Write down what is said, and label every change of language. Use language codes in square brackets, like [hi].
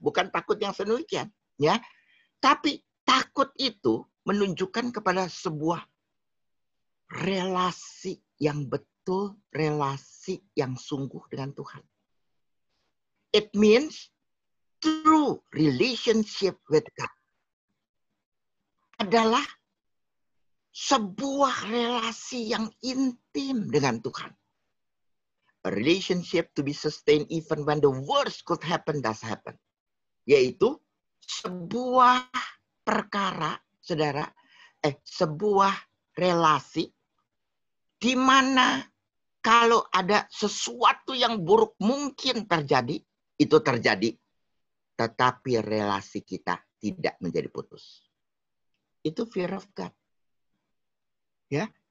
[id] Bukan takut yang senujian, ya. Tapi takut itu menunjukkan kepada sebuah relasi yang betul, relasi yang sungguh dengan Tuhan. [en] It means true relationship with God [id] adalah sebuah relasi yang intim dengan Tuhan. [en] A relationship to be sustained even when the worst could happen does happen. [id] Yaitu sebuah perkara, saudara, sebuah relasi di mana kalau ada sesuatu yang buruk mungkin terjadi, itu terjadi. Tetapi relasi kita tidak menjadi putus. Itu [en] fear of God. [id] Ya.